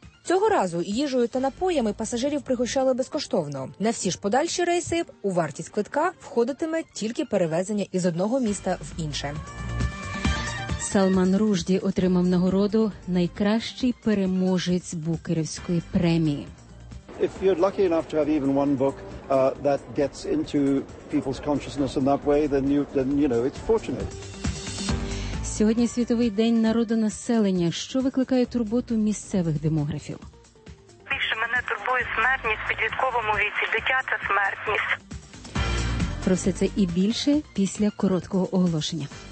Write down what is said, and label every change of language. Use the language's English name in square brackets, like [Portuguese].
[Ukrainian] Цього разу їжею та напоями пасажирів пригощали безкоштовно. На всі ж подальші рейси у вартість квитка входитиме тільки перевезення із одного міста в інше. Салман Ружді отримав нагороду «Найкращий переможець Букерівської премії». [English] If you're lucky enough to have even one book that gets into people's consciousness in that way, then you know it's fortunate. [Ukrainian] Сьогодні світовий день народонаселення. Що викликає турботу місцевих демографів? Більше мене турбує смертність в підлітковому віці, дитяча смертність. Про все це і більше після короткого оголошення.